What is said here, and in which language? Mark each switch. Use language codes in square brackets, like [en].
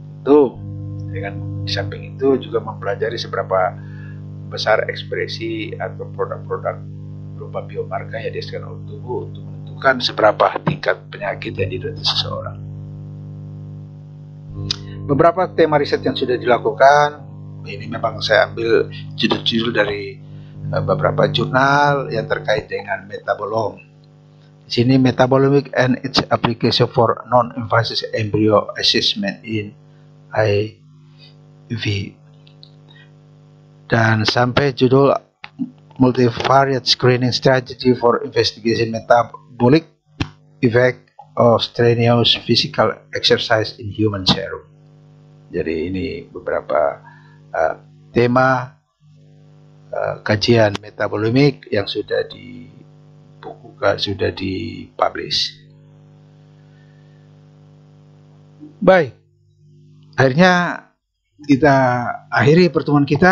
[id] Tentu dengan di samping itu juga mempelajari seberapa besar ekspresi atau produk-produk berupa biomarker yang dihasilkan oleh tubuh untuk menentukan seberapa tingkat penyakit yang diderita seseorang. Beberapa tema riset yang sudah dilakukan, ini memang saya ambil judul-judul dari beberapa jurnal yang terkait dengan metabolom. Di sini [en] metabolomic and its application for non-invasive embryo assessment in IV. [id] Dan sampai judul [en] multivariate screening strategy for investigation metabolic effect of strenuous physical exercise in human serum. [id] Jadi ini beberapa tema kajian metabolomik yang sudah dibukukan, sudah dipublish. Baik, akhirnya kita akhiri pertemuan kita.